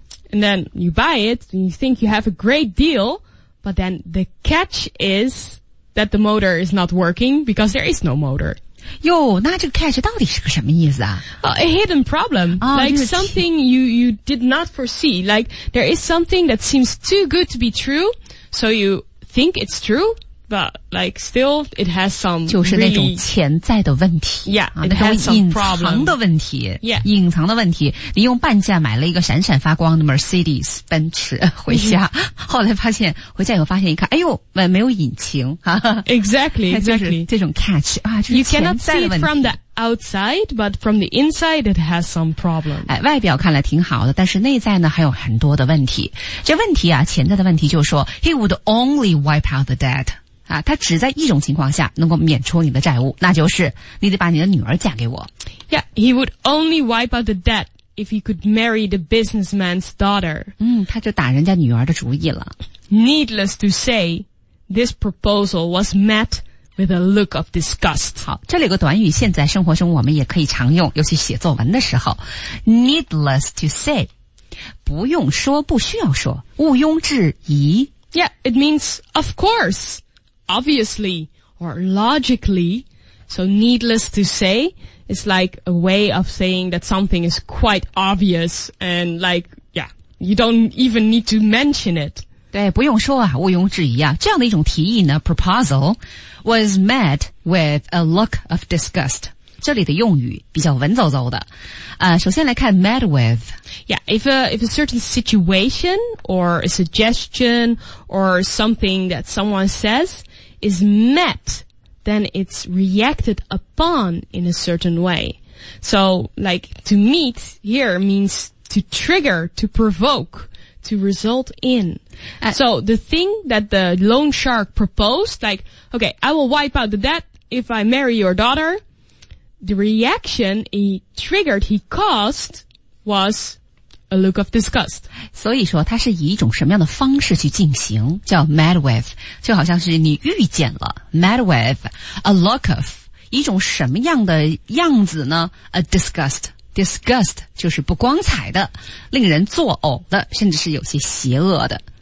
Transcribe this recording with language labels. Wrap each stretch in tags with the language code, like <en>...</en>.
<en>And then you buy it and you think you have a great deal, but then the catch is... that the motor is not working because there is no motor.</en> <zh>Yo, 那这个 catch 到底是个什么意思啊?</zh> <en>A hidden problem. Oh, like something you did not foresee. Like there is something that seems too good to be true, so you think it's true, but like still it has some</en> <zh>就是那种潜在的问题。</zh> <en>Yeah,</en> <zh>那种隐藏的问题。</zh> <en>Yeah.</en> <zh>隐藏的问题。你用半价买了一个闪闪发光的 Mercedes, 奔驰回家。后来发现回家以后发现一看哎呦没有引擎。</zh> <en>Exactly, exactly.</en> <zh>这种 catch, 啊就是</zh> <en>You cannot see it from the outside, but from the inside it has some problem.</en> <zh>哎外表看来挺好的但是内在呢还有很多的问题。这问题啊潜在的问题就是说</zh> <en>he would only wipe out the debt.</en> <zh>啊，他只在一种情况下能够免除你的债务，那就是你得把你的女儿嫁给我。</zh> <en>Yeah, he would only wipe out the debt if he could marry the businessman's daughter.</en> <zh>他就打人家女儿的主意了。</zh> <en>Needless to say, this proposal was met with a look of disgust.</en> <zh>好，这里有个短语，现在生活中我们也可以常用，尤其写作文的时候。</zh> <en>Needless to say,</en> <zh>不用说，不需要说，毋庸置疑。</zh> <en>Yeah, it means of course. Obviously, or logically, so needless to say, it's like a way of saying that something is quite obvious, and like, yeah, you don't even need to mention it.</en> <zh>对，不用说啊，毋庸置疑啊，这样的一种提议呢 ,proposal,</zh> <en>was met with a look of disgust.</en> <zh>这里的用语比较文绉绉的。首先来看 met with.</zh> <en>Yeah, if a certain situation, or a suggestion, or something that someone says,is met, then it's reacted upon in a certain way. So, like, to meet here means to trigger, to provoke, to result in. So, the thing that the loan shark proposed, like, okay, I will wipe out the debt if I marry your daughter, the reaction he triggered, he caused, was... A look of disgust.</en> <zh>所以说它是以一种什么样的方式去进行叫 met with, 就好像是你遇见了 met with,</zh> <en>a look of,</en> <zh>一种什么样的样子呢 ?a disgust, disgust 就是不光彩的，令人作呕的，甚至是有些邪恶的。</zh>